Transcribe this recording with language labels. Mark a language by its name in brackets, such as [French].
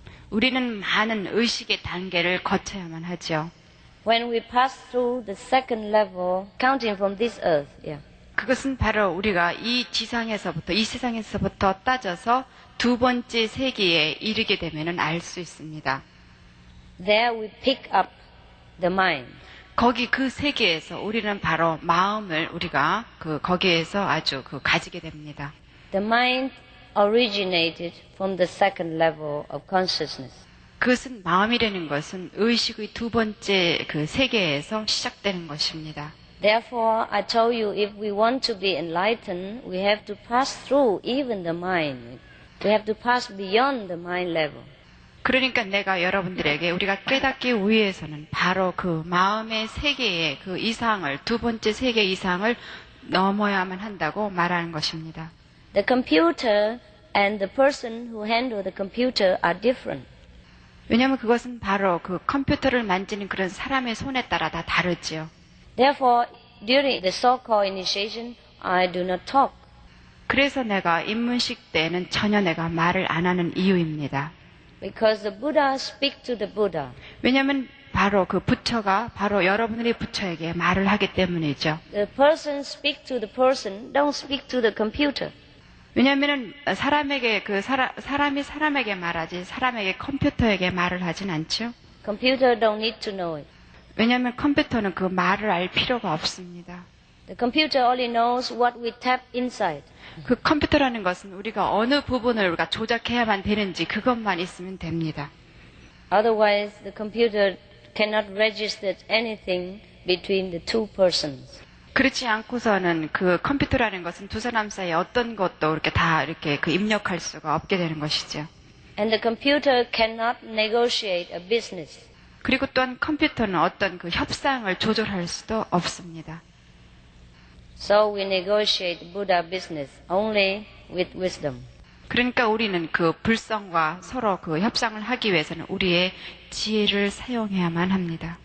[Korean] 우리는 많은 의식의 단계를 거쳐야만 하죠. [English] When we pass through the second level, counting from this earth, yeah. [Korean] 그것은 바로 우리가 이 지상에서부터 이 세상에서부터 따져서 두 번째 세계에 이르게 되면은 알 수 있습니다. [English] There we pick up the mind. [Korean] 거기 그 세계에서 우리는 바로 마음을 우리가 거기에서 아주 가지게 됩니다. [English] The mind originated from the second level of consciousness. [Korean] 그것은 마음이라는 것은 의식의 두 번째 세계에서 시작되는 것입니다. [English] Therefore, I told you if we want to be enlightened, we have to pass through even the mind. We have to pass beyond the mind level. [Korean] 그러니까 내가 여러분들에게 우리가 깨닫기 위해서는 바로 마음의 세계의 이상을 두 번째 세계 이상을 넘어야만 한다고 말하는 것입니다. [English] The computer and the person who handle the computer are different. [Korean] 왜냐하면 그것은 바로 컴퓨터를 만지는 그런 사람의 손에 따라 다 다르지요. [English] Therefore, during the so-called initiation, I do not talk. [Korean] 그래서 내가 입문식 때는 전혀 내가 말을 안 하는 이유입니다. [English] Because the Buddha speaks to the Buddha. [Korean] 왜냐하면 바로 부처가 바로 여러분들이 부처에게 말을 하기 때문이죠. [English] The person speaks to the person, don't speak to the computer. [Korean] 왜냐하면 사람에게 사람이 사람에게 말하지 사람에게 컴퓨터에게 말을 하진 않죠. [English] Computer don't need to know it. [Korean] 왜냐하면 컴퓨터는 말을 알 필요가 없습니다. [English] The computer only knows what we tap inside. [Korean] 컴퓨터라는 것은 우리가 어느 부분을 우리가 조작해야만 되는지 그것만 있으면 됩니다. [English] Otherwise, the computer cannot register anything between the two persons. [Korean] 그렇지 않고서는 컴퓨터라는 것은 두 사람 사이에 어떤 것도 이렇게 입력할 수가 없게 되는 것이죠. [English] And the computer cannot negotiate a business. [Korean] 그리고 또한 컴퓨터는 어떤 협상을 조절할 수도 없습니다. [English] So we negotiate Buddha business only with wisdom. [Korean] 그러니까 우리는 불성과 서로 협상을 하기 위해서는 우리의 지혜를 사용해야만 합니다.